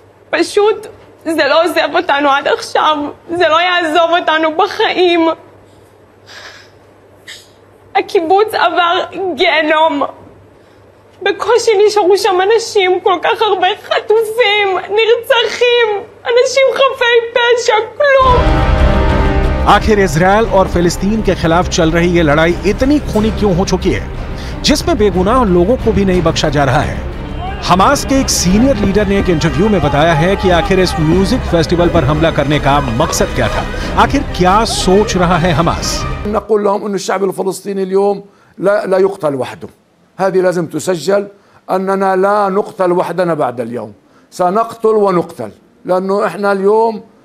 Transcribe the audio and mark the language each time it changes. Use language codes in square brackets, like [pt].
[he] פשוט זה לא עוזב אותנו עד עכשיו, זה לא יעזוב אותנו בחיים. הקיבוץ עבר גיהנום. בקושי נשארו שם אנשים, כל כך הרבה חטופים, נרצחים, אנשים חפי פשע, כלום. [hi] आखिर इसराइल और फिलिस्तीन के खिलाफ चल रही ये लड़ाई इतनी खूनी क्यों हो चुकी है जिसमें बेगुनाह लोगों को भी नहीं बख्शा जा रहा है। हमास के एक सीनियर लीडर ने एक इंटरव्यू में बताया है कि आखिर इस म्यूजिक फेस्टिवल पर हमला करने का मकसद क्या था, आखिर क्या सोच रहा है हमास। [ar] نقول لهم ان الشعب الفلسطيني اليوم لا يقتل وحده هذه لازم تسجل اننا لا نقتل وحدنا بعد اليوم سنقتل ونقتل لانه احنا اليوم